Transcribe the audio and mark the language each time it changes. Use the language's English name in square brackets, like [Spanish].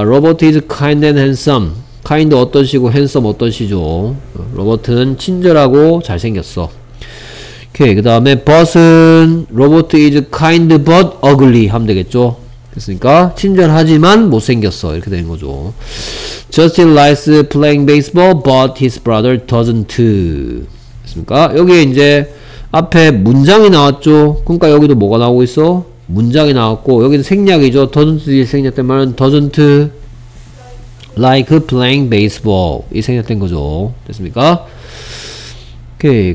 [English] Robert is kind and handsome. kind [Korean] 어떤 시고 [English] handsome [Korean] 어떤 시죠? 로버트는 친절하고 잘생겼어. 오케이. 그 다음에 but은 [English] Robert is kind but ugly [Korean] 하면 되겠죠? 그러니까 친절하지만 못생겼어 이렇게 되는 거죠. [English] Justin likes playing baseball but his brother doesn't. [Korean] 그렇습니까? 여기에 이제 앞에 문장이 나왔죠. 그러니까 여기도 뭐가 나오고 있어? 문장이 나왔고 여기는 생략이죠. doesn't이 생략된 말은 [English] doesn't like playing baseball [Korean] 이 생략된 거죠. 됐습니까? 오케이.